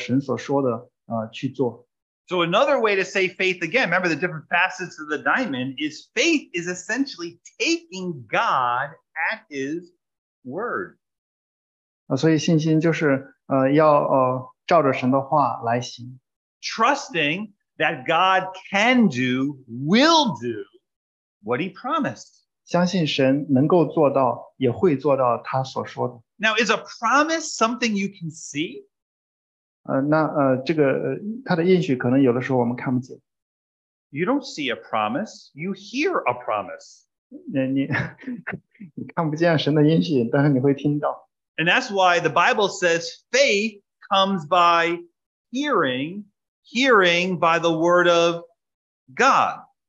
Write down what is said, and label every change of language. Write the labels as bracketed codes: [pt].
[zh] 他就表现出来，他相信神所应许的，他相信神所说的话，神说洪水一定来，他就照着神所说的去做。 [en] So another way to say faith again, remember the different facets of the diamond, is faith is essentially taking God at his word. [zh] 所以信心就是要照着神的话来行。 [en] Trusting that God can do, will do what he promised. [zh] 相信神能够做到，也会做到他所说的。 [en] Now, is a promise something you can see? [zh] 那这个他的应许可能有的时候我们看不见。 [en] You don't see a promise, you hear a promise. [zh] 你看不见神的应许，但是你会听到。 [en] And that's why the Bible says faith comes by hearing, hearing by the word of God.